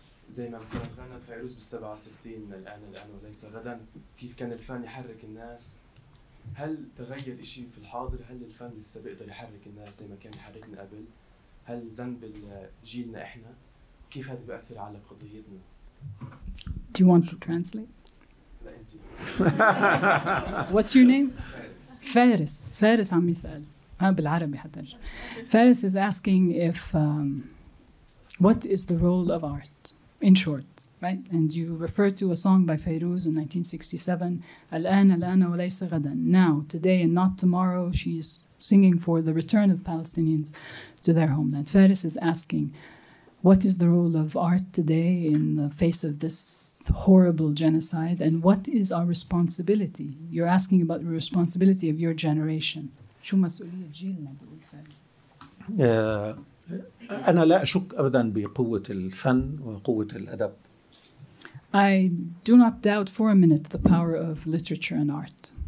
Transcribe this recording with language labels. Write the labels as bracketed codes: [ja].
[ar] زي ما مثلا غنت فيروز بالسبعة وستين الآن وليس غدا كيف كان الفن يحرك الناس هل تغير إشي في الحاضر هل الفن لسه بيقدر يحرك الناس زي ما كان يحركنا قبل هل ذنب جيلنا إحنا كيف هذا بيأثر على قضيتنا [en] Do you want to translate? [ar] لا أنت [en] What's your name? [ar] فارس فارس عم يسأل بالعربي حتى [en] فارس is asking if what is the role of art In short, right? And you refer to a song by Fairuz in 1967, Al-an, al-ana, walaysa ghadan. Now, today and not tomorrow, she's singing for the return of Palestinians to their homeland. Fairuz is asking, what is the role of art today in the face of this horrible genocide? And what is our responsibility? You're asking about the responsibility of your generation. [ar] شو مسؤولية جيلنا بقول فارس؟ أنا لا أشك أبداً بقوة الفن وقوة الأدب. [en] I do not doubt for a minute the power of literature and art.